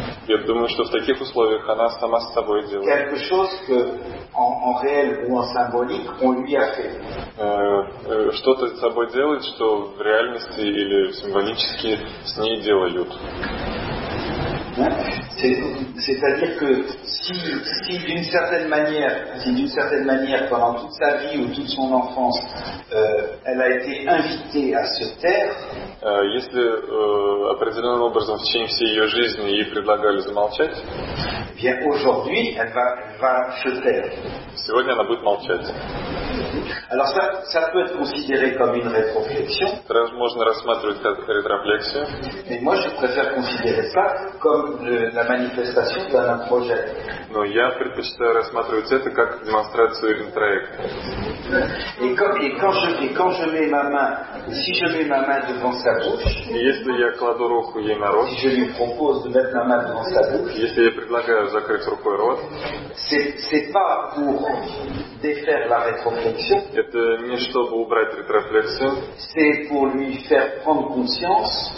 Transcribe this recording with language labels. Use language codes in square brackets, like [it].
[ru] Я думаю, что в таких условиях она сама с собой делает. [fr] Quelque chose que en réel ou en symbolique, on lui a fait. [ru] Что-то с собой делает, что в реальности или символически с ней делают. [fr] C'est-à-dire que si d'une certaine manière, pendant toute sa vie ou toute son enfance, elle a été invitée à se taire. [ru] Если определенным образом в течение всей ее жизни ей предлагали замолчать. [fr] Bien, aujourd'hui, elle va se taire. [ru] Сегодня она будет молчать. [fr] Alors ça, ça peut être considéré comme une rétroflexion. [ru] Раз можно рассматривать как рétroflexion. [fr] Mais moi, je préfère considérer ça comme le, la manifestation d'un projet. [ru] Но я предпочитаю рассматривать это как демонстрацию проекта. [fr] Et quand, quand je mets ma main, si je mets ma main devant sa bouche, [ru] если я кладу руку ей на рот, [fr] si je lui propose de mettre ma main devant sa bouche, [ru] если я предлагаю закрыть рукой рот, [fr] c'est pas pour défaire la rétroflexion. [ru] Это не чтобы убрать рétroflexion. [fr] C'est pour lui faire prendre conscience.